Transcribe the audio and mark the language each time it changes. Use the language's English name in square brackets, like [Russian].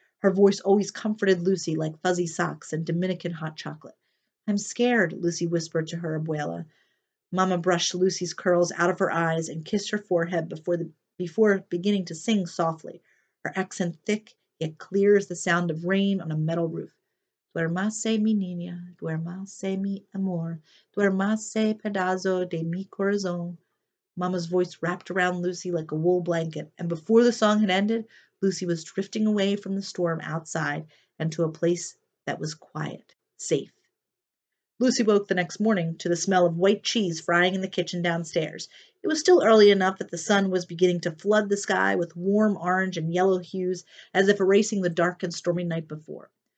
[English] Her voice always comforted Lucy like fuzzy socks and Dominican hot chocolate. I'm scared, Lucy whispered to her abuela. Mama brushed Lucy's curls out of her eyes and kissed her forehead before beginning to sing softly, her accent thick yet clear as the sound of rain on a metal roof. [Spanish] Duermase, mi niña, duermase, mi amor, duermase, pedazo de mi corazón. [English] Mama's voice wrapped around Lucy like a wool blanket, and before the song had ended, Lucy was drifting away from the storm outside and to a place that was quiet, safe. Lucy woke the next morning to the smell of white cheese frying in the kitchen downstairs. It was still early enough that the sun was beginning to flood the sky with warm orange and yellow hues, as if erasing the dark and stormy night before.